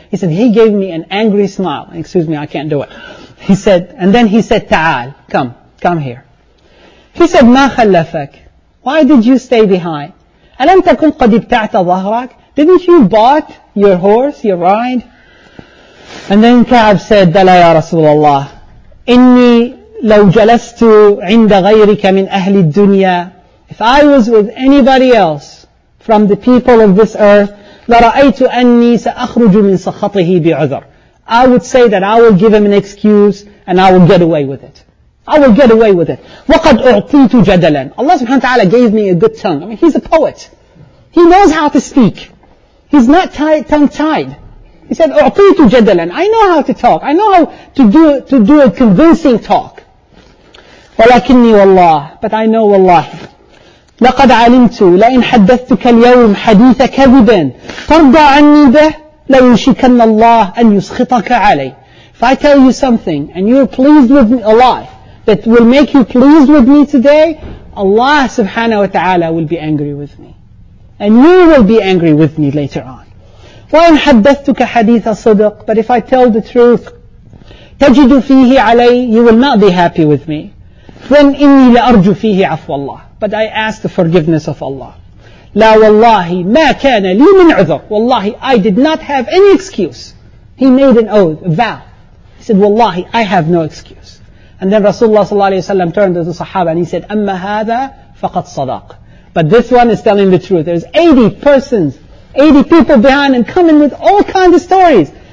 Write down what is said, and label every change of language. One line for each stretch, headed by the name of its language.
English: He said, he gave me an angry smile. Excuse me, I can't do it. He said, and then he said,
Arabic: تعال.
English: Come, come here. He said,
Arabic: ما خلفك.
English: Why did you stay behind?
Arabic: ألم تكن قد ابتعت ظهرك.
English: Didn't you bought your horse, your ride? And then Ka'ab said,
Arabic: بلى يا رسول الله. إني لو جلست عند غيرك من أهل الدنيا.
English: If I was with anybody else from the people of this earth,
Arabic: لَرَأَيْتُ أَنِّي سَأَخْرُجُ مِنْ سَخَطِهِ بِعُذْرِ.
English: I would say that I will give him an excuse and I will get away with it. I will get away with it.
Arabic: وَقَدْ أُعْطِيتُ جَدَلًا.
English: Allah subhanahu wa ta'ala gave me a good tongue. I mean, he's a poet. He knows how to speak. He's not tongue-tied. He said,
Arabic: أُعْطِيتُ جَدَلًا.
English: I know how to talk. I know how to do a convincing talk.
Arabic: وَلَكِنِّي وَاللَّهِ.
English: But I know wallahi.
Arabic: لقد علمت لئن حدثتك اليوم حديث كذبا ترضى عني به لو يشكن الله أن يسخطك علي.
English: If I tell you something and you're pleased with me, a lie that will make you pleased with me today, Allah subhanahu wa ta'ala will be angry with me. And you will be angry with me later on.
Arabic: وإن حدثتك حديث صدق.
English: But if I tell the truth,
Arabic: تجد فيه علي,
English: you will not be happy with me.
Arabic: Then إني لأرجو فيه عفو الله.
English: But I ask the forgiveness of Allah.
Arabic: لا والله ما كان لي من عذر.
English: Wallahi, I did not have any excuse. He made an oath, a vow. He said, wallahi, I have no excuse. And then Rasulullah sallallahu alayhi wa sallam turned to the Sahaba and he said,
Arabic: أما هذا فقط صدق.
English: But this one is telling the truth. There's 80 persons, 80 people behind and coming with all kinds of stories.